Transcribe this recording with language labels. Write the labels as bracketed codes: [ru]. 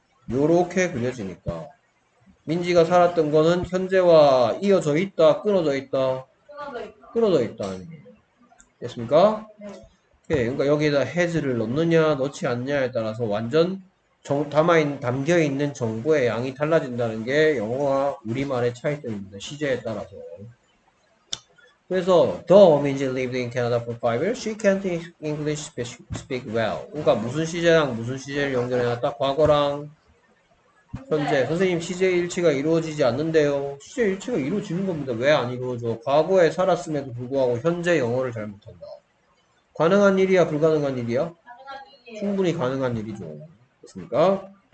[ko] 요렇게 그려지니까. 민지가 살았던 거는 현재와 이어져 있다, 끊어져 있다, 끊어져 있다. 됐습니까? 오케이. 그러니까 여기에다 has를 넣느냐, 넣지 않느냐에 따라서 완전 담겨 있는 정보의 양이 달라진다는 게 영어와 우리말의 차이점입니다. 시제에 따라서. 그래서 [en] The woman is living in Canada for 5 years. She can't English speak well. [ko] 그러니까 무슨 시제랑 무슨 시제를 연결해놨다? 과거랑 현재. 선생님, 시제 일치가 이루어지지 않는데요. 시제 일치가 이루어지는 겁니다. 왜안 이루어져? 과거에 살았음에도 불구하고 현재 영어를 잘 못한다. 가능한 일이야? 불가능한 일이야? 충분히 가능한 일이죠. 그렇습니까?